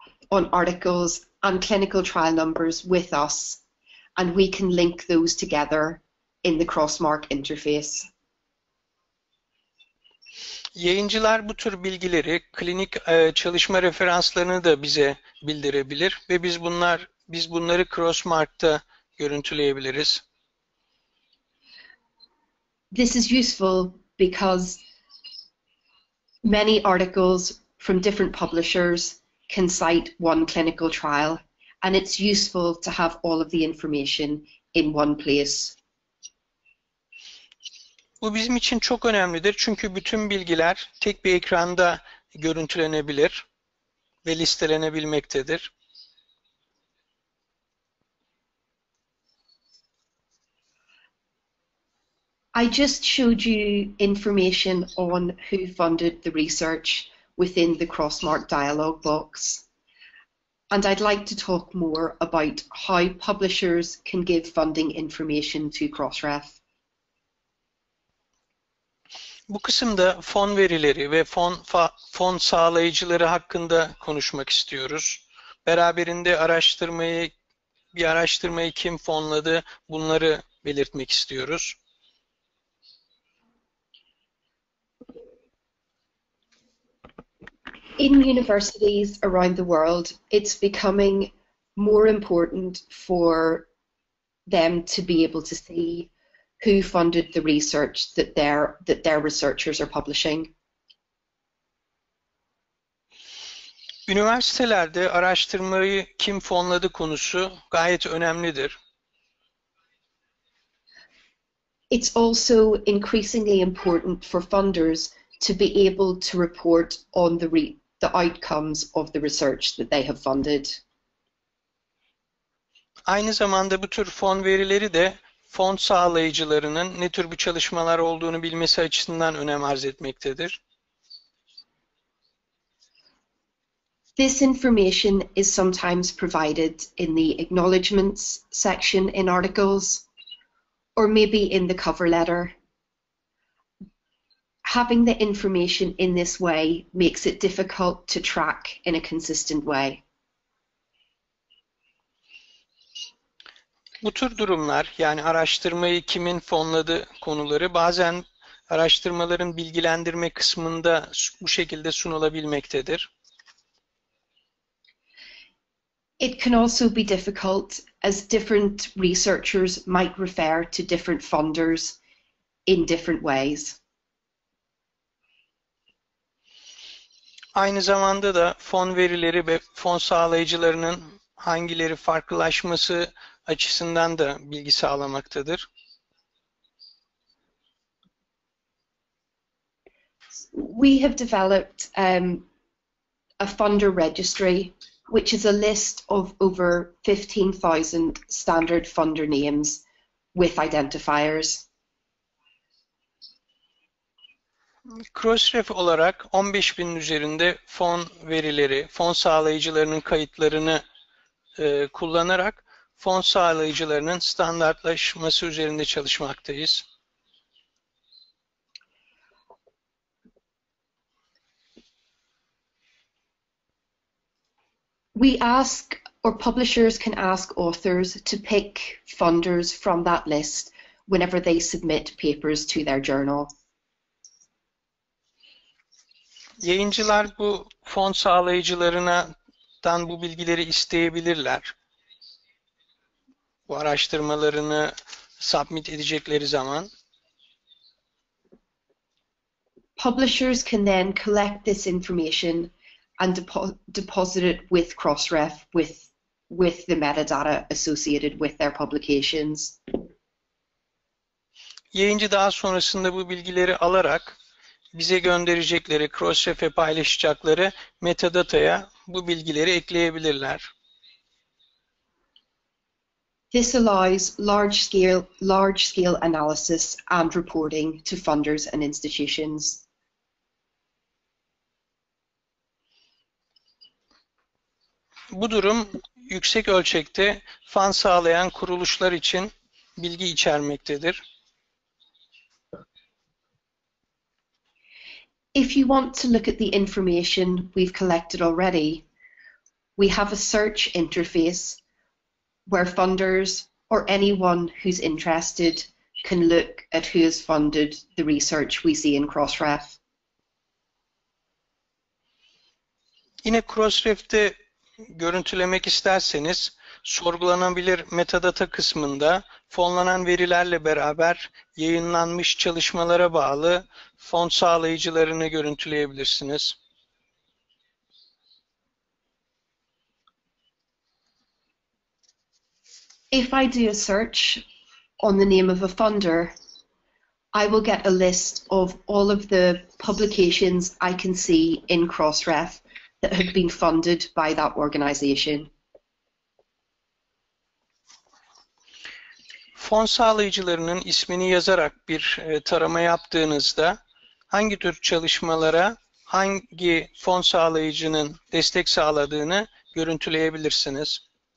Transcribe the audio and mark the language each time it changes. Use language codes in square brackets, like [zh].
[en] on articles and clinical trial numbers with us, and we can link those together in the Crossmark interface. [tr] Yayıncılar bu tür bilgileri, klinik çalışma referanslarını da bize bildirebilir ve biz bunları Crossmark'ta görüntüleyebiliriz. [en] This is useful because many articles from different publishers can cite one clinical trial, and it's useful to have all of the information in one place. [tr] Bu bizim için çok önemlidir çünkü bütün bilgiler tek bir ekranda görüntülenebilir ve listelenebilmektedir. [en] I just showed you information on who funded the research within the Crossmark dialog box. And I'd like to talk more about how publishers can give funding information to Crossref. [tr] Bu kısımda fon verileri ve fon sağlayıcıları hakkında konuşmak istiyoruz. Beraberinde bir araştırmayı kim fonladı, bunları belirtmek istiyoruz. [en] In universities around the world, it's becoming more important for them to be able to see who funded the research that their researchers are publishing. [tr] Üniversitelerde araştırmayı kim fonladı konusu gayet önemlidir. [en] It's also increasingly important for funders to be able to report on the outcomes of the research that they have funded. [tr] Aynı zamanda bu tür fon verileri de fon sağlayıcılarının ne tür bir çalışmalar olduğunu bilmesi açısından önem arz etmektedir. [en] This information is sometimes provided in the acknowledgements section in articles, or maybe in the cover letter. Having the information in this way makes it difficult to track in a consistent way. [tr] Bu tür durumlar, yani araştırmayı kimin fonladığı konuları bazen araştırmaların bilgilendirme kısmında bu şekilde sunulabilmektedir. [en] It can also be difficult as different researchers might refer to different funders in different ways. [tr] Aynı zamanda da fon verileri ve fon sağlayıcılarının hangileri farklılaşması açısından da bilgi sağlamaktadır. [en] We have developed a funder registry, which is a list of over 15,000 standard funder names with identifiers. [tr] Crossref olarak 15.000'in üzerinde fon verileri, fon sağlayıcılarının kayıtlarını kullanarak fon sağlayıcılarının standartlaşması üzerinde çalışmaktayız. [en] We ask, or publishers can ask authors to pick funders from that list whenever they submit papers to their journal. [tr] Yayıncılar bu fon sağlayıcılarından bu bilgileri isteyebilirler. Bu araştırmalarını submit edecekleri zaman. [en] Publishers can then collect this information and deposit it with Crossref with the metadata associated with their publications. [tr] Yayıncı daha sonrasında bu bilgileri alarak bize gönderecekleri, Crossref'e paylaşacakları metadata'ya bu bilgileri ekleyebilirler. [en] This allows large scale analysis and reporting to funders and institutions. [tr] Bu durum yüksek ölçekte fon sağlayan kuruluşlar için bilgi içermektedir. [en] If you want to look at the information we've collected already, we have a search interface where funders or anyone who's interested can look at who has funded the research we see in Crossref. [tr] Yine Crossref'te görüntülemek isterseniz, sorgulanabilir metadata kısmında fonlanan verilerle beraber yayınlanmış çalışmalara bağlı fon sağlayıcılarını görüntüleyebilirsiniz. [en] If I do a search on the name of a funder, I will get a list of all of the publications I can see in Crossref that have been funded by that organization. [tr] Fon sağlayıcılarının ismini yazarak bir tarama yaptığınızda hangi tür çalışmalara hangi fon sağlayıcının destek sağladığını görüntüleyebilirsiniz.